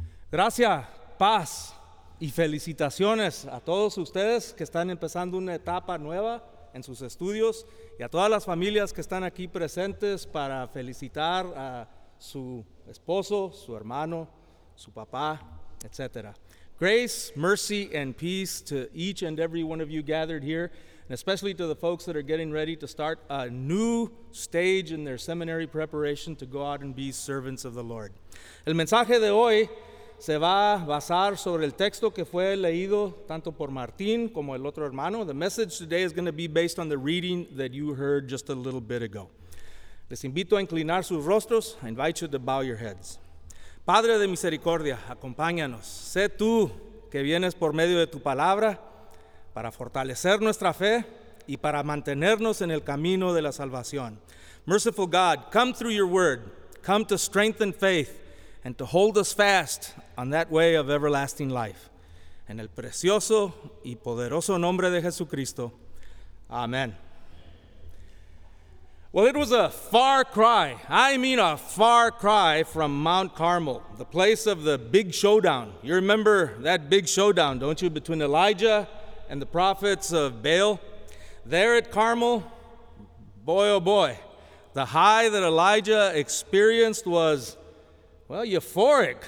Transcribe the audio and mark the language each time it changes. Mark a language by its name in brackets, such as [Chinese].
[Spanish] Gracias, paz y felicitaciones a todos ustedes que están empezando una etapa nueva en sus estudios y a todas las familias que están aquí presentes para felicitar a su esposo, su hermano, su papá, etcétera. [English] Grace, mercy, and peace to each and every one of you gathered here, and especially to the folks that are getting ready to start a new stage in their seminary preparation to go out and be servants of the Lord. [Spanish] El mensaje de hoy se va a basar sobre el texto que fue leído tanto por Martín como el otro hermano. [English] The message today is going to be based on the reading that you heard just a little bit ago. [Spanish] Les invito a inclinar sus rostros. [English] I invite you to bow your heads. [Spanish] Padre de misericordia, acompáñanos. Sé tú que vienes por medio de tu palabra para fortalecer nuestra fe y para mantenernos en el camino de la salvación. [English] Merciful God, come through your word. Come to strengthen faith and to hold us fast on that way of everlasting life. [Spanish] En el precioso y poderoso nombre de Jesucristo. [English] Amen. Well, it was a far cry, I mean a far cry, from Mount Carmel, the place of the big showdown. You remember that big showdown, don't you, between Elijah and the prophets of Baal? There at Carmel, boy oh boy, the high that Elijah experienced was, well, euphoric.